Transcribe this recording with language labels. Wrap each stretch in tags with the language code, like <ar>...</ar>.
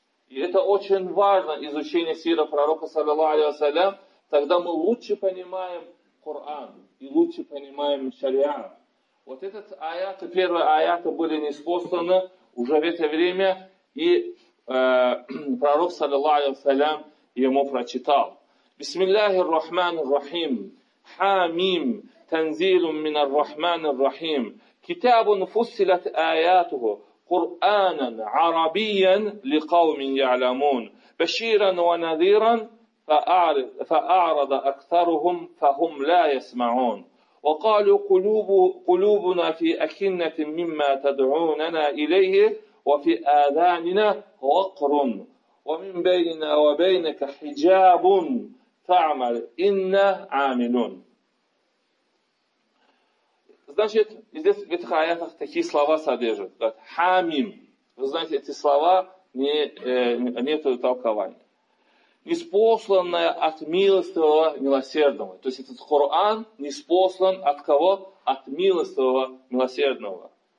<ru>И это очень важно, изучение сира пророка, саллаллаху алейхи ва саллям. Тогда мы лучше понимаем Коран и лучше понимаем шариат. Вот этот аят, первые аяты были ниспосланы уже в это время, и пророк, саллаллаху алейхи ва саллям, ему прочитал.</ru> <ar>بسم الله الرحمن الرحيم حاميم تنزيل من الرحمن الرحيم كتاب فصلت آياته قرآنا عربيا لقوم يعلمون بشيرا ونذيرا فأعرض أكثرهم فهم لا يسمعون وقالوا قلوبنا في أكنة مما تدعوننا إليه وفي آذاننا وقر ومن بيننا وبينك حجاب فعمل إن عاملون.</ar> <ru>Значит, здесь в этих аятах такие слова содержат. Так, хамим. Вы знаете, эти слова не, нету толкования. Неспосланное от милостивого милосердного. То есть этот Коран неспослан от кого? От милостивого милосердного.</ru>